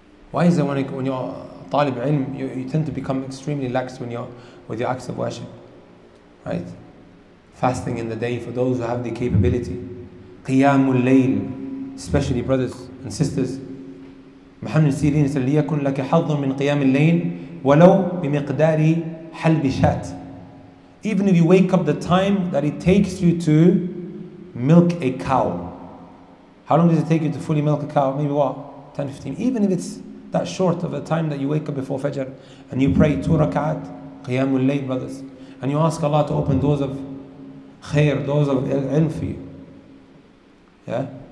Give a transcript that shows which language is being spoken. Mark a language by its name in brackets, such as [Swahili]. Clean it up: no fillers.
[English] Why is it when you're talib ilm, you tend to become extremely lax when you're with your acts of worship? Right? Fasting in the day for those who have the capability. Qiyamul layl, especially brothers and sisters. Muhammad Sirin said, [Arabic] لِيَكُنْ لَكَ حَظٌ مِنْ قِيَامِ اللَّيْلِ وَلَوْ بِمِقْدَارِ حَلْبِ شَاتِ. [English] Even if you wake up the time that it takes you to milk a cow. How long does it take you to fully milk a cow? Maybe what? 10-15. Even if it's that short of a time that you wake up before Fajr and you pray 2 rak'at, Qiyamul Layl, brothers. And you ask Allah to open doors of khair, doors of ilm for you. Yeah?